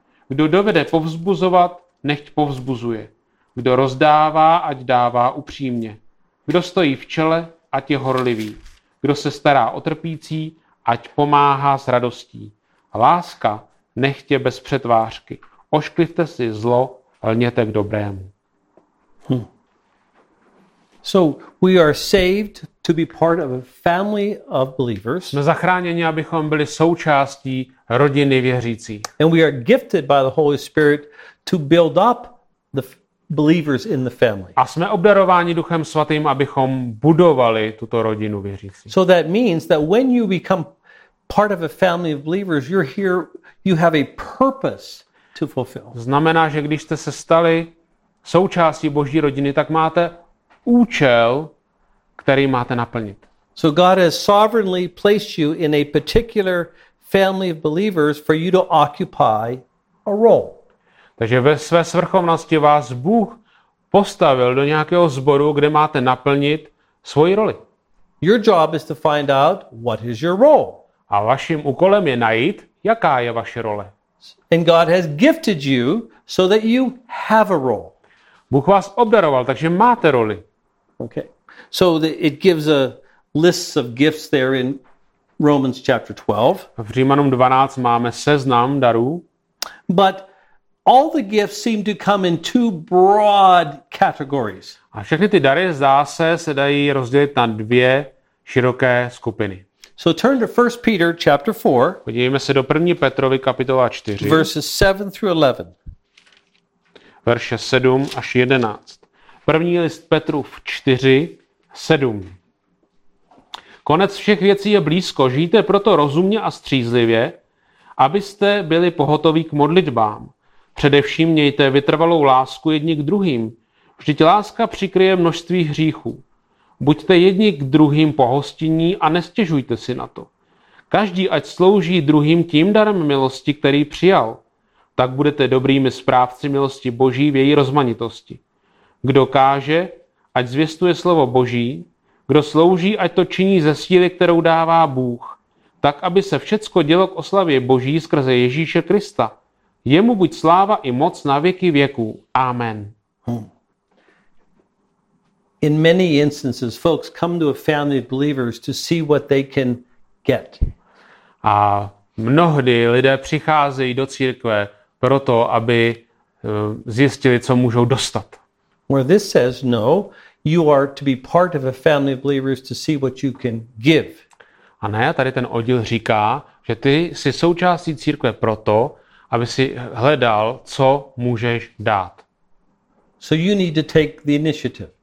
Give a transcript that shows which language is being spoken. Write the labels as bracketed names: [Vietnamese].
[Czech] Kdo dovede povzbuzovat, nechť povzbuzuje. Kdo rozdává, ať dává upřímně. Kdo stojí v čele, ať je horlivý. Kdo se stará o trpící, ať pomáhá s radostí. Láska nechtě bez přetvářky. Ošklivte si zlo, lněte k dobrému. Hmm. [English] So we are saved to be part of a family of believers. [Czech] Jsme zachráněni, abychom byli součástí rodiny věřících. [English] And we are gifted by the Holy Spirit to build up the believers in the family. [Czech] A jsme obdarováni Duchem Svatým, abychom budovali tuto rodinu věřících. [English] So that means that when you become part of a family of believers, you're here, you have a purpose to fulfill. [Czech] Znamená, že když jste se stali součástí Boží rodiny, tak máte účel, který máte naplnit. [English] So God has sovereignly placed you in a particular family of believers for you to occupy a role. [Czech] Takže ve své svrchovnosti vás Bůh postavil do nějakého sboru, kde máte naplnit svoji roli. [English] Your job is to find out what is your role. [Czech] A vaším úkolem je najít, jaká je vaše role. [English] And God has gifted you so that you have a role. [Czech] Bůh vás obdaroval, takže máte roli. [English] Okay. So it gives a list of gifts there in Romans chapter 12. [Czech] V Římanům 12 máme seznam darů. [English] But all the gifts seem to come in two broad categories. [Czech] A všechny ty dary zdá se dají rozdělit na dvě široké skupiny. [English] So turn to 1 Peter chapter 4. [Czech] Podívejme se do 1. Petrovy kapitola 4. [English] Verses 7 through 11. [Czech] Verše 7 až 11. První list Petrův 4, 7. Konec všech věcí je blízko, žijte proto rozumně a střízlivě, abyste byli pohotoví k modlitbám. Především mějte vytrvalou lásku jedni k druhým. Vždyť láska přikryje množství hříchů. Buďte jedni k druhým pohostinní a nestěžujte si na to. Každý ať slouží druhým tím darem milosti, který přijal. Tak budete dobrými správci milosti Boží v její rozmanitosti. Kdo káže, ať zvěstuje slovo Boží, kdo slouží, ať to činí ze síly, kterou dává Bůh, tak aby se všecko dělo k oslavě Boží skrze Ježíše Krista. Jemu buď sláva i moc na věky věků. Amen. [English] In many instances, folks come to a family of believers to see what they can get. [Czech] A mnohdy lidé přicházejí do církve proto, aby zjistili, co můžou dostat. [English] Where this says no, you are to be part of a family of believers to see what you can give. [Czech] A ne, tady ten oddíl říká, že ty jsi součástí církve proto, aby si hledal, co můžeš dát. [English] So you need to take the initiative.